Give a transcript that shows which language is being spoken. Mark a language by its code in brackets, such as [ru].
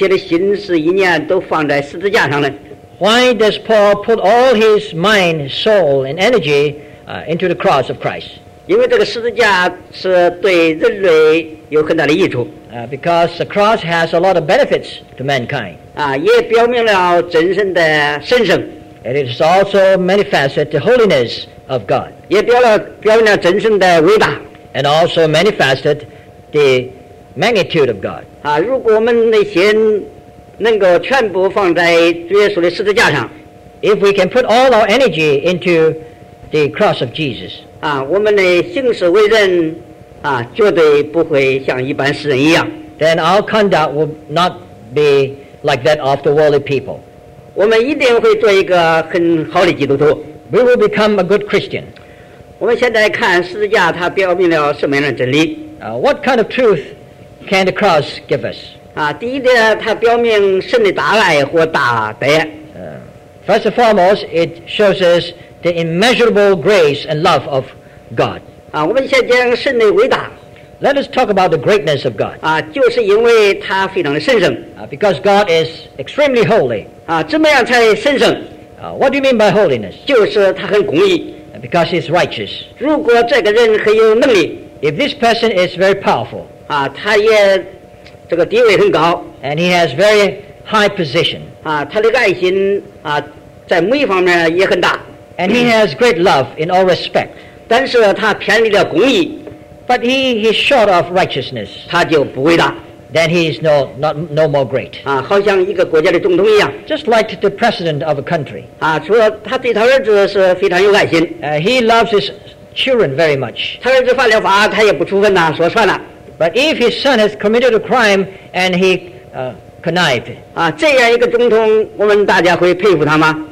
[zh] 保罗为什么把一生的精力，一切的心思一念都放在十字架上呢？ [en] Why does Paul put all his mind, soul, and energy into the cross of Christ? Because the cross has a lot of benefits to mankind. It is also manifested the holiness of God. And also manifested the magnitude of God. [zh] 能够全部放在主耶稣的十字架上, [en] if we can put all our energy into the cross of Jesus, [zh] 我们的行事为人, 绝对不会像一般世人一样, [en] then our conduct will not be like that of the worldly people. [zh] 我们一定会做一个很好的基督徒, [en] we will become a good Christian. [zh] 我们现在看十字架它表明了什么样的真理, [en] what kind of truth can the cross give us? [zh] 第一点，它表明神的大爱或大德。First [en] and foremost, it shows us the immeasurable grace and love of God. [zh] 我们先讲神的伟大。Let [en] us talk about the greatness of God. [zh] 就是因为他非常的神圣。Because [en] God is extremely holy. [zh] 怎么样才神圣？What [en] do you mean by holiness? [zh] 就是他很公义。Because [en] he's righteous. [zh] 如果这个人很有能力。If [en] this person is very powerful. [zh] 他也 这个地位很高, [en] and he has very high position. [zh] 他的爱心在每一方面也很大, [en] and he has great love in all respect. [zh] 但是他偏离了公义, [en] but he is short of righteousness. [zh] 他就不伟大, [en] then he is no more great. [zh] 好像一个国家的总统一样, [en] just like the president of a country. [zh] 除了他对他儿子是非常有爱心, [en] he loves his children very much. [zh] 他儿子犯了法, 他也不处分他, 说算了。 [en] But if his son has committed a crime and he connived, [zh] 这样一个总统，我们大家会佩服他吗？